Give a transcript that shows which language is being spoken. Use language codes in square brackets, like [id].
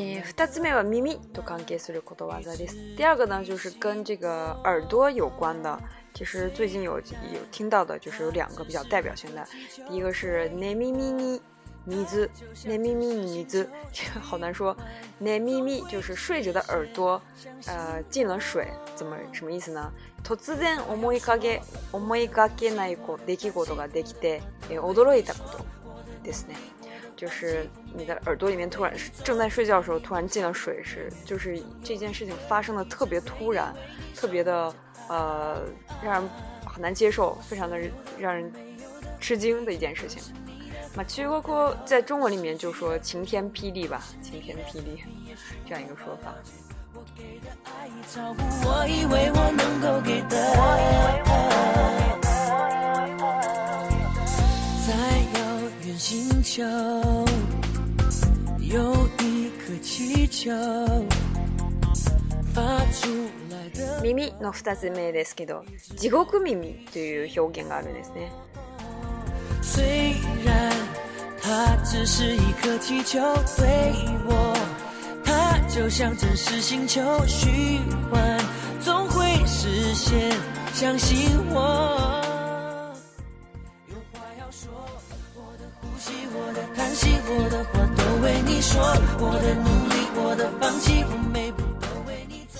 [ja] 2つ目は耳と関係することわざです。 [zh] 第二个呢就是跟这个耳朵有关的，其实最近 有听到的就是有两个比较代表性的。第一个是 [ja] 寝耳に水， [zh] 好难说。寝耳就是睡着的耳朵，进了水，怎么什么意思呢？ [ja] 突然思いがけない出来事ができて、驚いたことですね。 [zh] 就是你的耳朵里面突然正在睡觉的时候突然进了水，是就是这件事情发生的特别突然，特别的让人很难接受，非常的让人吃惊的一件事情。嘛，其实过在中文里面就说晴天霹雳吧，晴天霹雳这样一个说法。在遥远星球有一颗气球发出。 [ja] 耳の二つ目ですけど、地獄耳という表現があるんですね。 [zh] 虽然它只是一颗气球，对我它就像真实星球，虚幻总会实现，相信我。有话要说，我的呼吸，我的叹息，我的话都为你说，我的努力，我的放弃，我每步都为你走。